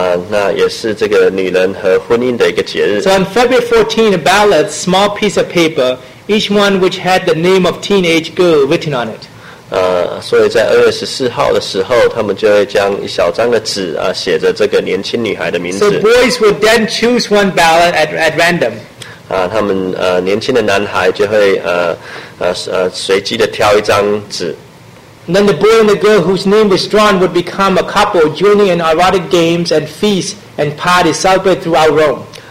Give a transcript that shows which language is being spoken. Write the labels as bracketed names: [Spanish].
[Chinese] 那也是这个女人和婚姻的一个节日。 [English] So on February 14, a ballot, small piece of paper, each one which had the name of teenage girl written on it. [Chinese] 所以在2月14号的时候，他们就会将一小张的纸写着这个年轻女孩的名字。 [English] So boys would then choose one ballot at random. [Chinese] 他们年轻的男孩就会随机的挑一张纸。 [English] Then the boy and the girl whose name was drawn would become a couple, joining in erotic games and feasts and parties celebrated throughout Rome.